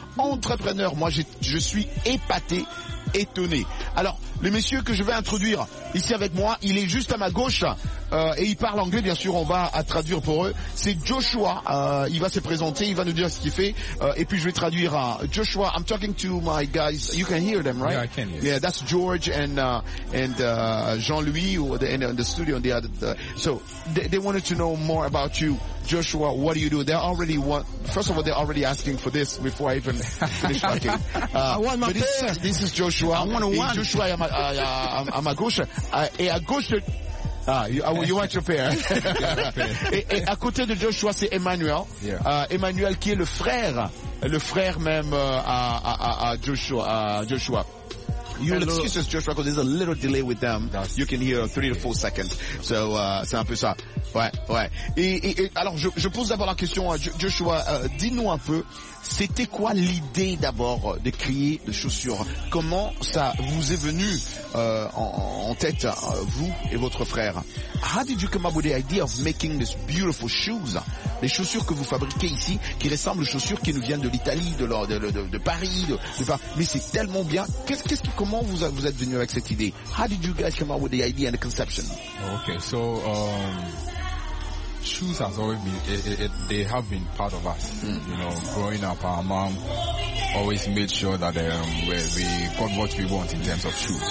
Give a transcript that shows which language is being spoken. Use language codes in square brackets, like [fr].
[fr] Entrepreneur, moi, je suis épaté, étonné. Alors, le monsieur que je vais introduire ici avec moi, il est juste à ma gauche et il parle anglais, bien sûr, on va à traduire pour eux. C'est Joshua, il va se présenter, il va nous dire ce qu'il fait et puis je vais traduire. [en] Joshua, I'm talking to my guys, you can hear them, right? Yeah, I can. Yeah, that's George and Jean-Louis in the studio on the other. So they wanted to know more about you, Joshua. What do you do? First of all, they're already asking for this before I even finish talking. I want my pair. This is Joshua. I want one. [fr] Joshua, I'm a gauche. Et à gauche de, you want your pair. Et à côté de Joshua, c'est Emmanuel. [en] Yeah. [fr] Emmanuel qui est le frère même à Joshua. [en] You'll excuse us, Joshua, because there's a little delay with them. You can hear 3 to 4 seconds. So, c'est un peu ça. Ouais, ouais. [fr] Et alors, je pose d'abord la question à Joshua. Dis-nous un peu, c'était quoi l'idée d'abord de créer des chaussures? Comment ça vous est venu en tête, vous et votre frère? [en] How did you come up with the idea of making these beautiful shoes? [fr] Les chaussures que vous fabriquez ici, qui ressemblent aux chaussures qui nous viennent de l'Italie, de Paris, mais c'est tellement bien. Comment vous êtes venu avec cette idée? [en] How did you guys come up with the idea and the conception? Okay, so shoes has always been, they have been part of us. Mm. You know, growing up, our mom always made sure that we got what we want in terms of shoes.